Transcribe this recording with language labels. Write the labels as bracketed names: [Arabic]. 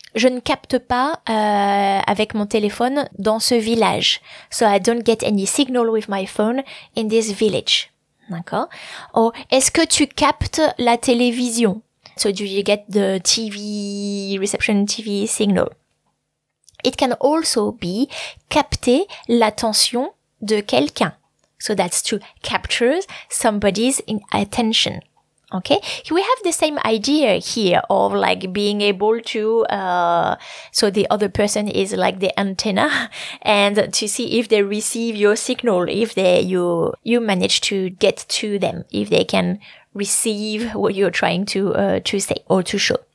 [French] Je ne capte pas avec mon téléphone dans ce village. [English] So I don't get any signal with my phone in this village. [French] D'accord? Or, est-ce que tu captes la télévision? [English] So do you get the TV reception, TV signal? It can also be [French] capter l'attention de quelqu'un. [English] So that's to capture somebody's attention. Okay, we have the same idea here of like being able to, so the other person is like the antenna and to see if they receive your signal, if you manage to get to them, if they can receive what you're trying to say or to show.